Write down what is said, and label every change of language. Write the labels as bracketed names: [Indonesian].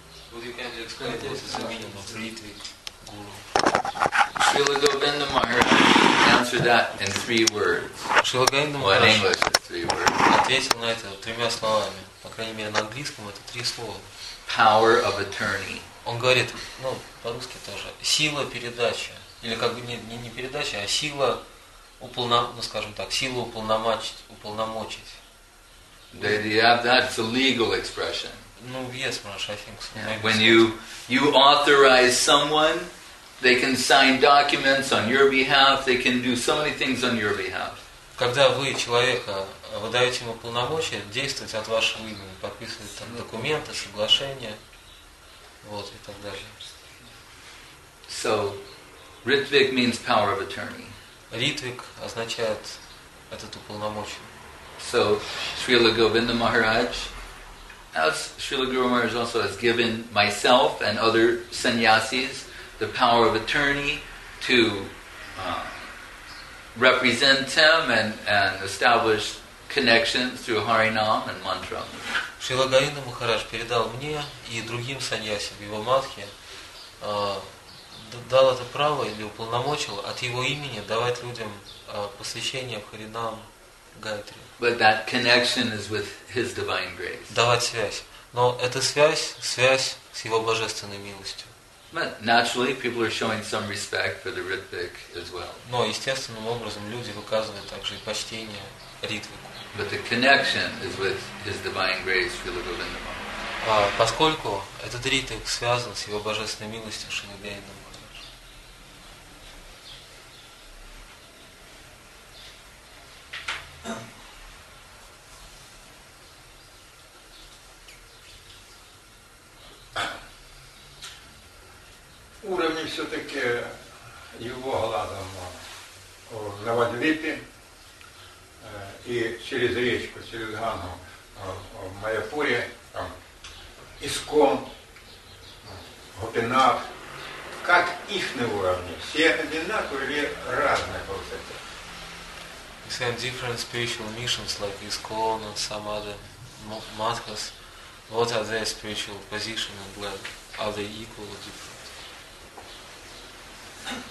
[English] Srila Govinda Maharaj answered that in three words. Well, in English, it's three words. [Russian] Ответил на это тремя словами. По крайней мере, на английском это три слова. [English] Power of attorney. [Russian] Он говорит, ну, по-русски тоже. Сила передачи. Или как бы не передача, а сила уполномочить. [English] That's a legal expression. Ну, yes, I think so. When you authorize someone They can sign documents on your behalf. They can do so many things on your behalf. [Russian] Когда вы человека выдаете ему полномочия действовать от вашего имени, подписывать там документы, соглашения, вот и так далее. [English] So, Ritvik means power of attorney. [Russian] Ritvik означает этот уполномоченный. [English] So, Srila Govinda Maharaj, as Srila Guru Maharaj also has given myself and other sannyasis the power of attorney to represent him and establish connections through Harinam and Mantra. [Russian] Srila Govinda Maharaj передал мне и другим саньясам его матхи, дал это право или уполномочил от его имени давать людям посвящение в Харинам Гайтри. [English] But that connection is with his divine grace. [Russian] Давать связь. Но эта связь с его божественной милостью. [English] But naturally, people are showing some respect for the Ritvik as well. [Russian] Но естественным образом люди выказывают также и почтение Ритвику. [English] But the connection is with his divine grace, Srila Govinda Maharaj. [Russian] Поскольку этот Ритвик связан с его божественной милостью, Шрила Говинда Махарадж. Уровни все-таки его Галадама в Навадвипе и через речку, через Гангу в Майяпуре, там, Искон, Гопинат. Как их на уровне? Все одинаковые или разные процессы? [English] The same different spiritual missions like Искон, Самада, Матхас. What are their spiritual position and like, are they equal or different?